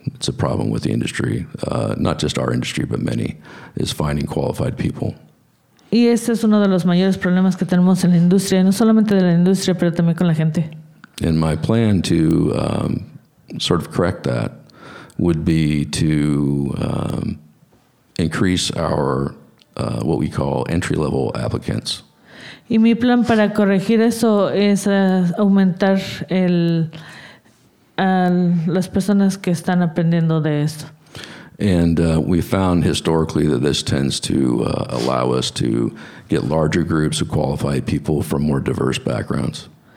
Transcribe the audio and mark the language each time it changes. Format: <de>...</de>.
<en>It's a problem with the industry, not just our industry, but many, is finding qualified people.</en> <es>Y ese es uno de los mayores problemas que tenemos en la industria, no solamente de la industria, pero también con la gente.</es> <en>And my plan to sort of correct that would be to increase our what we call entry-level applicants.</en> <es>Y mi plan para corregir eso es aumentar las personas que están aprendiendo de esto.</es> <en>And we found historically that this tends to allow us to get larger groups of qualified people from more diverse backgrounds.</en>